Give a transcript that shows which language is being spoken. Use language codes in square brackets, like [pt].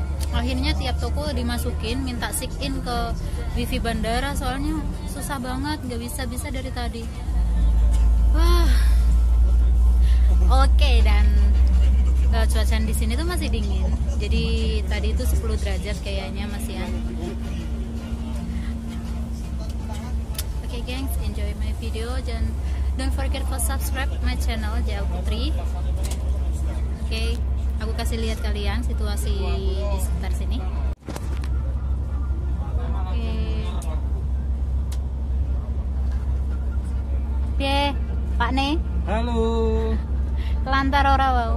[id] Akhirnya tiap toko dimasukin, minta sick in ke wifi bandara, soalnya susah banget, enggak bisa-bisa dari tadi. Okay, dan cuaca di sini tuh masih dingin. Jadi tadi itu 10 derajat kayaknya masih ya. [en] Okay, gengs, enjoy my video dan don't forget to subscribe my channel JL Putri. [id] Okay, aku kasih lihat kalian situasi di sekitar sini. Okay. Oke. Pak Ne. Halo. Kelantar ora wau.